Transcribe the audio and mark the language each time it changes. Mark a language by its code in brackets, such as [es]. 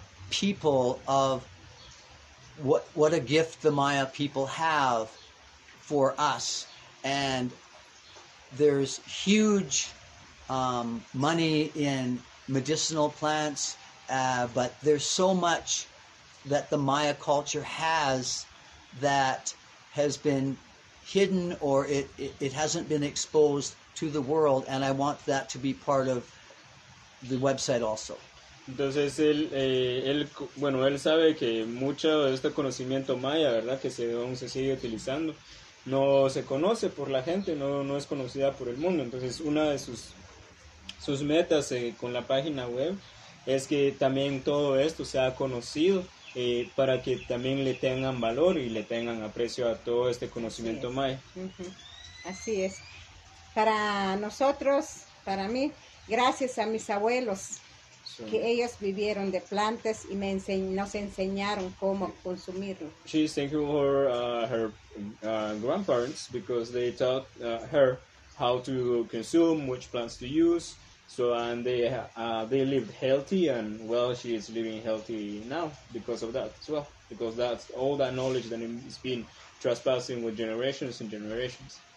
[en] people of what a gift the Maya people have for us, and there's huge money in medicinal plants, but there's so much that the Maya culture has that has been hidden or it hasn't been exposed to the world, and I want that to be part of the website also. [es] Entonces él sabe que mucho de este conocimiento maya, ¿verdad?, que se sigue utilizando, no se conoce por la gente, no es conocida por el mundo. Entonces una de sus metas con la página web es que también todo esto sea conocido, para que también le tengan valor y le tengan aprecio a todo este conocimiento maya. Uh-huh. Así es. Para nosotros, para mí, gracias a mis abuelos, que ellos vivieron de plantas y nos enseñaron cómo consumirlo. [en] She's thankful for her grandparents because they taught her how to consume, which plants to use. So, and they lived healthy, and well, she is living healthy now because of that as well. Because that's all that knowledge that has been trespassing with generations and generations.